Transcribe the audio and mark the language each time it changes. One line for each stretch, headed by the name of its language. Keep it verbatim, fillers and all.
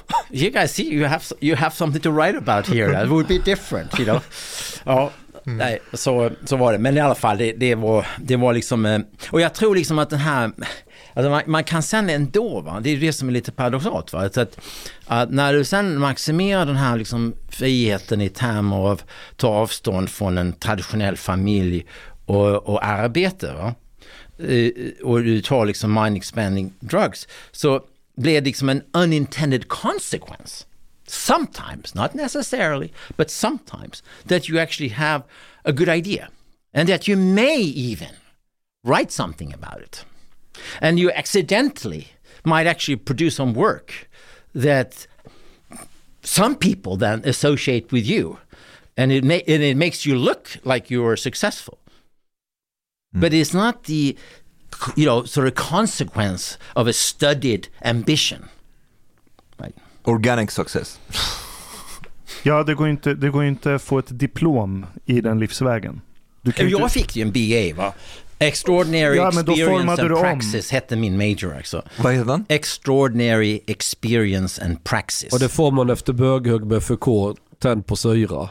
English: You guys see you have you have something to write about here. That would be different, you know. Ja, mm.
Swedish: nej, så så var det, men i alla fall det, det var det var liksom, och jag tror liksom att den här alltså man, man kan sen ändå, va? Det är det som är lite paradoxalt. Va? Så att, att när du sen maximerar den här liksom friheten i termer av att ta avstånd från en traditionell familj och, och arbete, va? Och du tar liksom
English: mind-expanding drugs,
Swedish: så blir det liksom en
English: unintended consequence. Sometimes, not necessarily, but sometimes that you actually have a good idea and that you may even write something about it. And you accidentally might actually produce some work that some people then associate with you, and it may, and it makes you look like you are successful. Mm. But it's not the, you know, sort of consequence of a studied ambition. Right. Organic success.
Swedish: Ja, det går inte, det går inte att få ett diplom i den livsvägen. Du kan jag inte... fick ju en B A, va? Extraordinary ja, Experience and Praxis om. Hette min major också. Vad heter den?
English: Extraordinary Experience and Praxis.
Swedish: Och det får man efter böghugg med Foucault, tänd på syra.